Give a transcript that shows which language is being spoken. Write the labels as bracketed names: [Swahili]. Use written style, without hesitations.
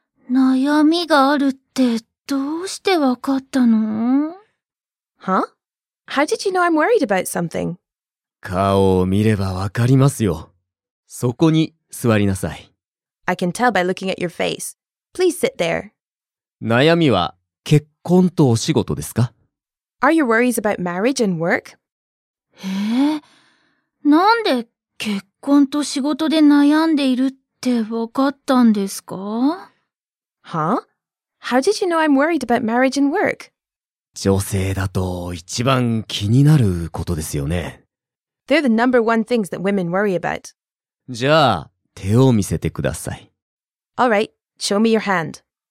[Japanese] 悩みがあるってどうしてわかったの？ Huh? [English] How did you know I'm worried about something? [Japanese] 顔を見ればわかりますよ。そこに座りなさい。 [English] I can tell by looking at your face. Please sit there. [Japanese] 悩みは結婚とお仕事ですか？ [English] Are your worries about marriage and work? [Japanese] なんで結婚と仕事で悩んでいるってわかったんですか？ Huh? [English] How did you know I'm worried about marriage and work? [Japanese] 女性だと一番気になることですよね。 [English] They're the number one things that women worry about. [Japanese] じゃあ、手を見せてください。 [English] All right, show me your hand.